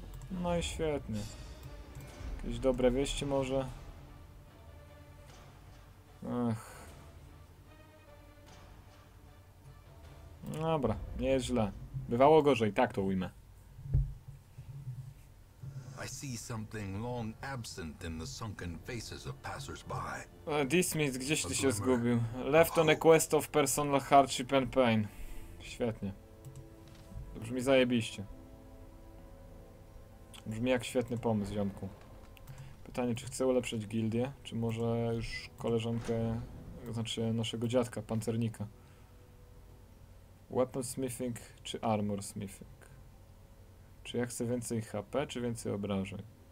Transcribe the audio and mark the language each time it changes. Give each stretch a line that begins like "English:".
Polish: No i świetnie. Jakieś dobre wieści może? Ach. Dobra, nieźle. Bywało gorzej, tak to ujmę.
English: I see something long absent in the sunken faces of passersby. This means,
Polish: gdzieś ty się zgubił.
English: Left on a quest of personal hardship and pain.
Polish: Świetnie. Brzmi zajebiście. Brzmi jak świetny pomysł, ziomku. Pytanie, czy chcę ulepszyć gildię, czy może już koleżankę, znaczy naszego dziadka, pancernika. Weapon smithing czy armor smithing? Czy ja chcę więcej HP, czy więcej obrażeń?